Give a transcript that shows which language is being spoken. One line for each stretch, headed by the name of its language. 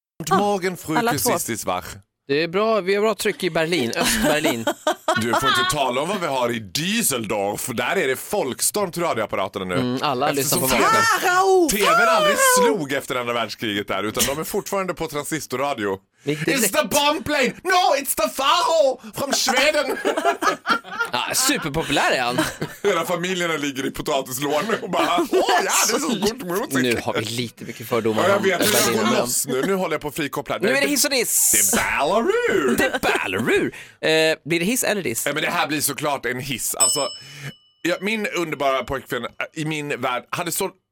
Swedish: Morgen frukostistisk vach. Det är bra, vi har bra tryck i Berlin, Östberlin. Du får inte tala om vad vi har i Düsseldorf. Där är det folkstorm till radioapparaterna nu. Alla lyssnar på vaken. TVn aldrig slog efter andra världskriget där, utan de är fortfarande på transistorradio.
English: It's the bomb plane. No, it's the Faro from Sweden.
Swedish: Ja, superpopulär är han. Hela familjen ligger i potatislådan och bara, ja, det är så gott mot sig. Nu har vi lite mycket fördomar. Ja, jag vet, jag går loss nu. Nu håller jag på att frikoppla. Nu är det hiss och diss. Det är Ballarur. Det är Ballarur. Blir det hiss eller diss? Ja, men det här blir såklart en hiss. Alltså, ja, min underbara pojkvän i min värld hade så...